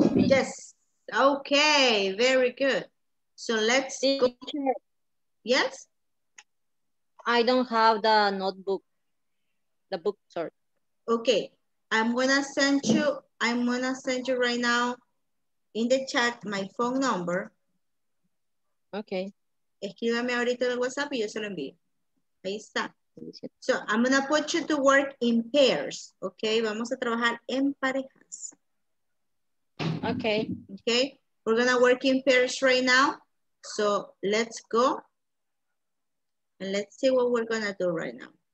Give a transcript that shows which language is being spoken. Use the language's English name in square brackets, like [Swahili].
[English] Yes. Okay, very good. So let's go. Yes? I don't have the notebook. The book, sorry. Okay. I'm gonna send you right now in the chat my phone number. Okay. [Spanish] Escríbame ahorita en el WhatsApp y yo se lo envío. Ahí está. [English] So I'm gonna put you to work in pairs. [Spanish] Okay, vamos a trabajar en parejas. [English] Okay. Okay, we're gonna work in pairs right now. So let's go. And let's see what we're gonna do right now.